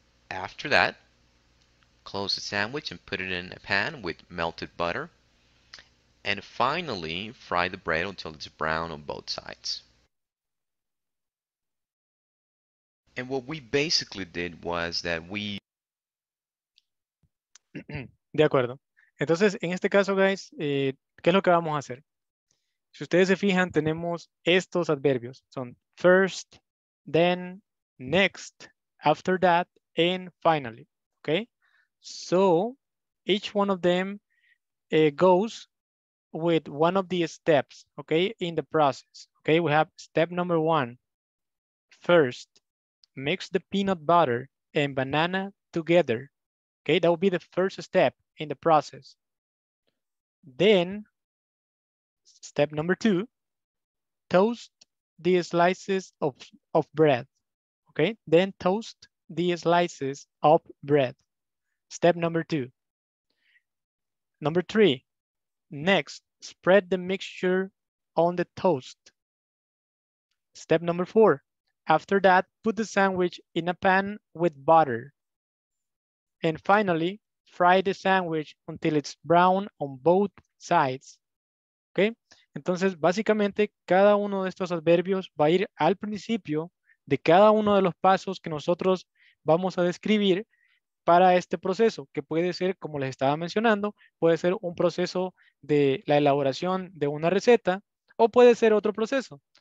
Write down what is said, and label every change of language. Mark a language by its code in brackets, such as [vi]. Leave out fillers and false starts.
[en] After that, close the sandwich and put it in a pan with melted butter. And finally, fry the bread until it's brown on both sides. And what we basically did was that we... [es] De acuerdo. Entonces, en este caso, guys, ¿qué es lo que vamos a hacer? Si ustedes se fijan, tenemos estos adverbios. [en] Son first, then, next, after that, and finally. Okay? So, each one of them goes with one of the steps, okay, in the process. Okay, we have step number one. First, mix the peanut butter and banana together. Okay, that will be the first step in the process. Then, step number two, toast the slices of bread. Okay, then toast the slices of bread. Step number two. Number three, next, spread the mixture on the toast. Step number four, after that, put the sandwich in a pan with butter. And finally, fry the sandwich until it's brown on both sides. Okay. [es] Entonces, básicamente, cada uno de estos adverbios va a ir al principio de cada uno de los pasos que nosotros vamos a describir para este proceso, que puede ser, como les estaba mencionando, puede ser un proceso de la elaboración de una receta o puede ser otro proceso.